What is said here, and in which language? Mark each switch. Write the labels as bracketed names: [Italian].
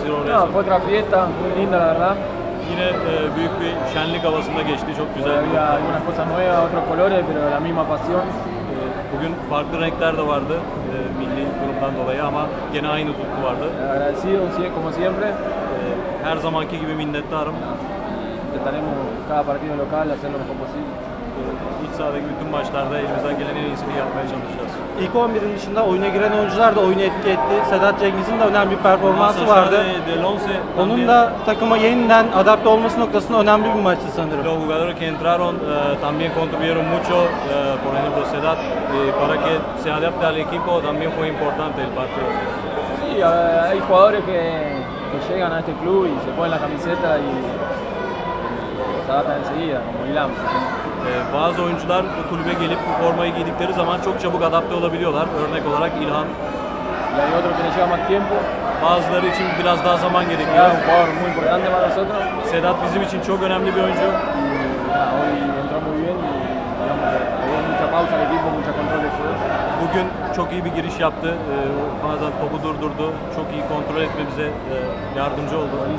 [Spanish] Ya, fue otra fiesta, muy linda la verdad. [Turkish] Yine büyük bir şenlik havasında geçti, çok güzel. [Spanish] Bir ya, una cosa nueva, otros colores, pero la misma pasión. [Turkish] Bugün farklı renkler de vardı, milli durumdan dolayı ama gene aynı tutku vardı. [Spanish] Agradecido, sí, como siempre. [Turkish] Her zamanki gibi minnettarım. [Spanish] Intentaremos cada partido local hacer lo mejor posible. [Turkish] İç sahadaki bütün maçlarda elimizden gelen en iyisini yapmaya çalışacağız. İlk 11'in dışında oyuna giren oyuncular da oyunu etki etti. Sedat Cengiz'in de önemli bir performansı vardı. Onun da takıma yeniden adapte olması noktasında önemli bir maçtı sanırım. [Spanish] Los jugadores que entraron también contribuyeron mucho, por ejemplo Sedat, para que se adapte al equipo también fue importante el partido. Sí, hay jugadores que llegan a este club y se ponen la camiseta y se adaptan enseguida, como Ilam. [Turkish] Bazı oyuncular bu kulübe gelip bu formayı giydikleri zaman çok çabuk adapte olabiliyorlar. Örnek olarak İlhan. [Spanish] Yani otro que necesita más tiempo. [Turkish] Bazıları için biraz daha zaman gerekiyor. [Spanish] Un jugador muy importante para nosotros. [Turkish] Sedat bizim için çok önemli bir oyuncu. [Spanish] Hoy entró muy bien. Hubo mucha pausa de equipo, mucha control de juego. [Turkish] Bugün çok iyi bir giriş yaptı. Bazen topu durdurdu. Çok iyi kontrol etmemize yardımcı oldu.